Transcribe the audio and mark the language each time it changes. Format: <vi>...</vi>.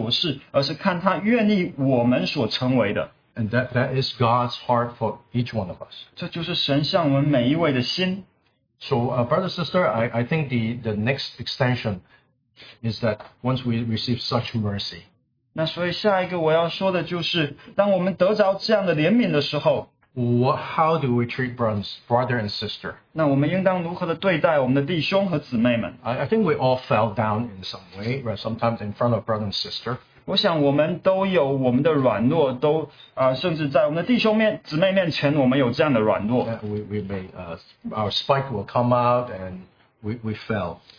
<zh>就像刚才弟兄所分享的，主看我们不是看我们的现在的琐事，而是看他愿意我们所成为的。</zh> <en>And that is God's heart for each one of us.</en> <zh>这就是神向我们每一位的心。</zh> <en>So, brother, sister, I think the next extension is that once we receive such mercy.</en> <zh>那所以下一个我要说的就是，当我们得着这样的怜悯的时候，</zh> <en>how do we treat brother and sister?</en> <zh>那我们应当如何的对待我们的弟兄和姊妹们？</zh> <en>I think we all fell down in some way, right? Sometimes in front of brother and sister.</en> <zh>我想我们都有我们的软弱，都甚至在我们的弟兄面、姊妹面前，我们有这样的软弱。</zh> <en>Our spike will come out and we fell.</en>